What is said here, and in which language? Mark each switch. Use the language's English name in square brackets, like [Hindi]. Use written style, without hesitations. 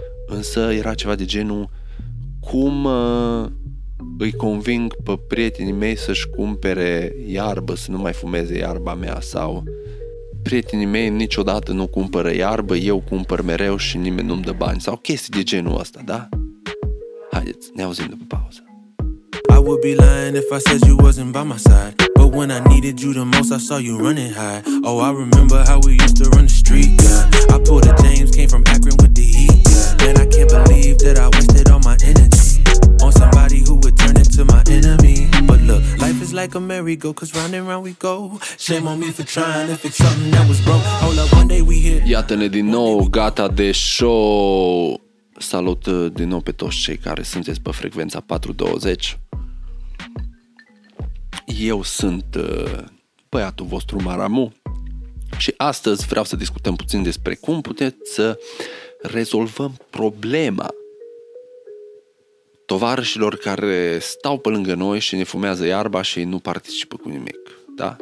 [Romanian] Însă era ceva de genul: cum îi conving pe prietenii mei să-și cumpere iarbă, să nu mai fumeze iarba mea, sau prietenii mei niciodată nu cumpără iarbă, eu cumpăr mereu și nimeni nu-mi dă bani, sau chestii de genul ăsta, da? Haideți, ne auzim după pauză. [English] I would be lying if I said you wasn't by my side, but when I needed you the most I saw you running high. Oh, I remember how we used to run the street, yeah. I pulled a James, came from Akron with the heat, yeah. And I can't believe that I wasted all my energy on somebody who would turn into my enemy. But look, life is like a merry-go, cause round and round we go. Shame on me for trying if it's something that was broke. Hold up, one day we hit. [Romanian] Iată-ne din nou, gata de show. Salut din nou pe toți cei care sunteți pe frecvența 420. Eu sunt băiatul vostru Maramu și astăzi vreau să discutăm puțin despre cum puteți să rezolvăm problema tovarășilor care stau pe lângă noi și ne fumează iarba și nu participă cu nimic, da?